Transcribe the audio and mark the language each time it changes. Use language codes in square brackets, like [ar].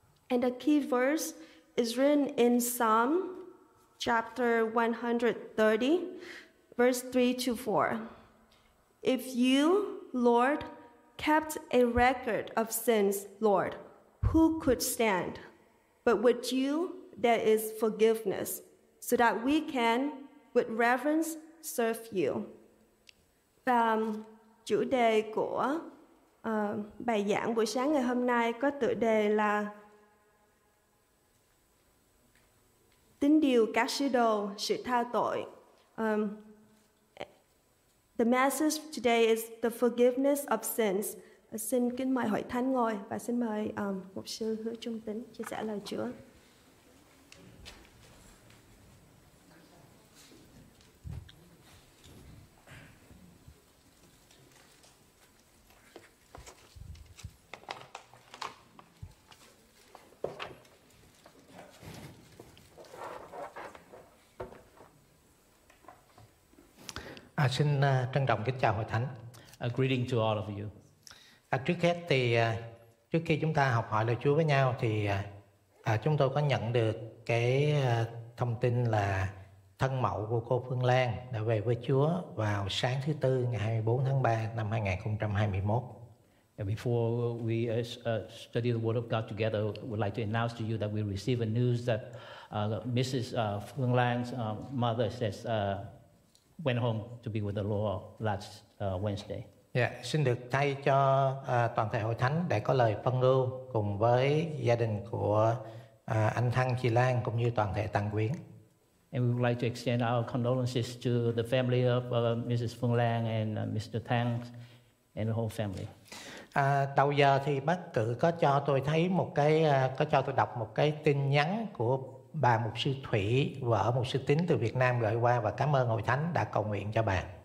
[en] And the key verse is written in Psalm chapter 130, verse 3 to 4. If you, Lord, kept a record of sins, Lord, who could stand? But with you there is forgiveness, so that we can, with reverence, serve you. [vi] Và chủ đề của bài giảng buổi sáng ngày hôm nay có tựa đề là Tín điều các sứ đồ, sự tha tội. [en] The message today is the forgiveness of sins. [vi] Xin kính mời hội thánh ngồi và xin mời mục sư Hứa Trung Tín chia sẻ lời Chúa. Xin trân trọng kính chào hội thánh. [en] A greeting to all of you. [vi] Trước hết thì trước khi chúng ta học hỏi lời Chúa với nhau thì chúng tôi có nhận được cái thông tin là thân mẫu của cô Phương Lan đã về với Chúa vào sáng thứ tư ngày 24 tháng 3 năm 2021. [en] And before we study the word of God together, we'd like to announce to you that we received a news that Mrs. Phương Lan's mother says went home to be with the Lord last Wednesday. [vi] Yeah, xin được thay cho toàn thể hội thánh để có lời phân ưu cùng với gia đình của anh Thăng, chị Lan cũng như toàn thể tăng quyến. [en] And we would like to extend our condolences to the family of Mrs. Phương Lan and Mr. Thăng and the whole family. [vi] Đầu giờ thì bác cử có cho tôi thấy một cái có cho tôi đọc một cái tin nhắn của bà mục sư Thủy, vợ mục sư Tín từ Việt Nam gửi qua và cảm ơn hội thánh đã cầu nguyện cho bà.